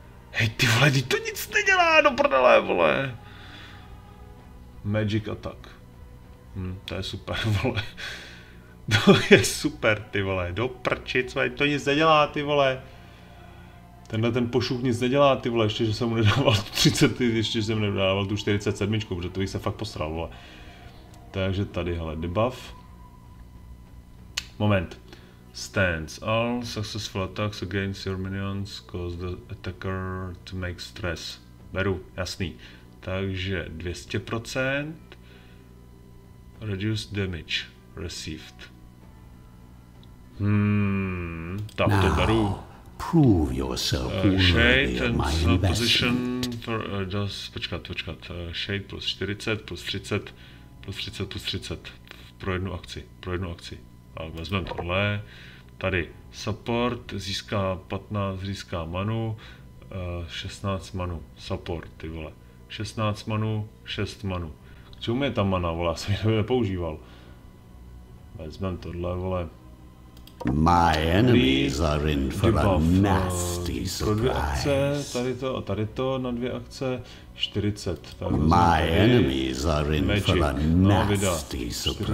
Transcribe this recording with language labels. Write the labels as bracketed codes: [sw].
[cs] Hej ty vole, ty to nic nedělá, do prdele, vole. [en] Magic attack, [cs] to je super, vole. To je super, ty vole, do prči, co to nic nedělá, ty vole. Tenhle ten pošuch nic nedělá, ty vole, ještě že jsem mu nedával tu 30, ještě že jsem mu nedával tu 47, protože to bych se fakt posral, vole. Takže tady, hele, debuff. Moment. [en] Stands all successful attacks against your minions cause the attacker to make stress. [cs] Beru, jasný. Takže [en] 200% reduce damage received. [cs] Tak to beru. [en] Prove yourself shade and position for, [cs] počkat. [en] Shade plus 40, plus 30, plus 30, plus 30. [cs] Pro jednu akci. A vezmeme tohle. Tady support, získá 15, získá manu. 16 manu, support, ty vole. 16 manu, 6 manu. K čemu je ta mana, vole, já jsem ji nepoužíval. Vezmeme tohle, vole. [en] My enemies are in for a nasty surprise. [cs] Tady to a tady to na dvě akce 40. [en] My enemies are in for a nasty surprise.